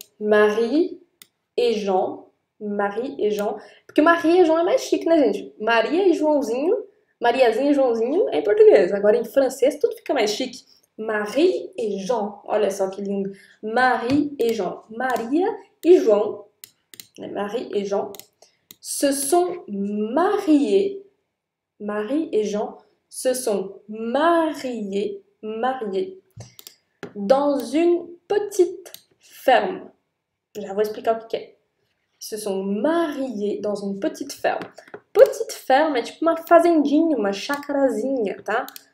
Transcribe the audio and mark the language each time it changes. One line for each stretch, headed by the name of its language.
Portuguese: Marie e Jean, Marie e Jean, porque Marie e Jean é mais chique, né, gente? Maria e Joãozinho, Mariazinha e Joãozinho é em português. Agora em francês tudo fica mais chique. Marie e Jean, olha só que lindo. Marie e Jean, Maria e João, né?
French: Marie e Jean se sont mariés. Marie e Jean se sont mariés, mariés. Dans une petite ferme.
Portuguese: Já vou explicar o que é.
French: Se sont mariés dans une petite ferme.
Portuguese: Petite ferme é tipo uma fazendinha, uma chacarazinha, tá?